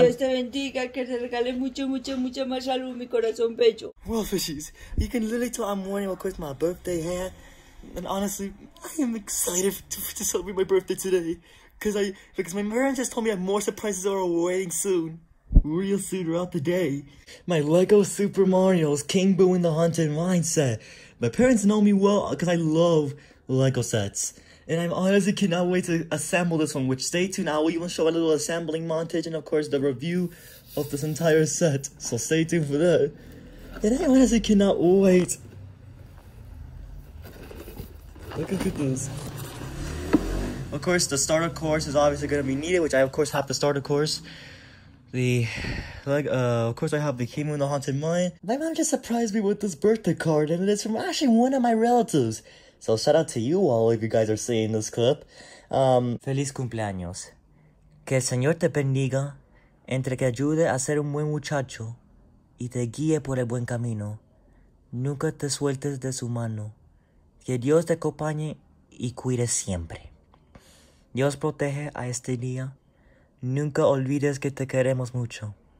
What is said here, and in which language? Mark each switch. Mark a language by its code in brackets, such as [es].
[es] Que Dios te bendiga, que te regale mucho, mucho, mucho más salud, mi corazón pecho. [en] Well, fishies, you can literally tell I'm wearing, of course, my birthday hair. And honestly, I am excited to celebrate my birthday today. Because my parents just told me I have more surprises are awaiting soon. Real soon throughout the day. My Lego Super Mario's King Boo and the Haunted Mine set. My parents know me well because I love Lego sets. And I honestly cannot wait to assemble this one, which stay tuned. I will even show a little assembling montage and, of course, the review of this entire set. So stay tuned for that. And I honestly cannot wait. Look at this. Of course, the starter course is obviously going to be needed, which I, of course, have the starter course. Of course, I have the Kimu and the Haunted Mine. My mom just surprised me with this birthday card, and it is from actually one of my relatives. So shout out to you all if you guys are seeing this clip. [es] Feliz cumpleaños. Que el Señor te bendiga, entre que ayude a ser un buen muchacho y te guíe por el buen camino. Nunca te sueltes de su mano. Que Dios te acompañe y cuide siempre. Dios protege a este día. Nunca olvides que te queremos mucho.